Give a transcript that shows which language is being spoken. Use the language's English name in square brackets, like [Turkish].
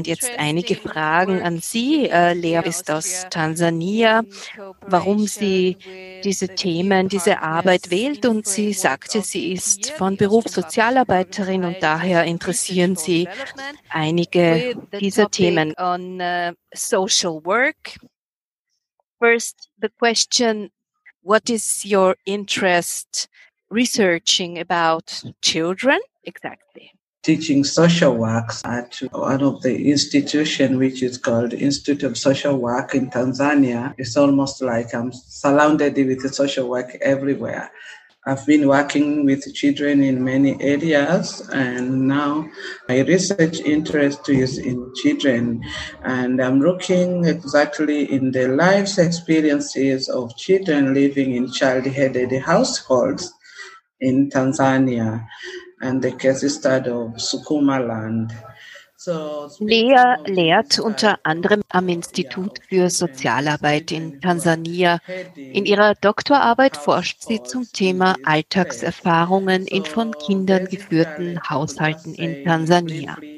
[German] Und jetzt einige Fragen an Sie, Lea ist aus Tansania, warum sie diese Themen, diese Arbeit wählt. Und sie sagte, sie ist von Beruf Sozialarbeiterin und daher interessieren sie einige dieser Themen. [English] On Social Work, first the question: what is your interest researching about children exactly? Teaching social work at one of the institutions, which is called Institute of Social Work in Tanzania. It's almost like I'm surrounded with social work everywhere. I've been working with children in many areas, and now my research interest is in children. And I'm looking exactly in the life experiences of children living in child-headed households in Tanzania and the case study of Sukumaland. [German] Lea lehrt unter anderem am Institut für Sozialarbeit in Tansania. In ihrer Doktorarbeit forscht sie zum Thema Alltagserfahrungen in von Kindern geführten Haushalten in Tansania.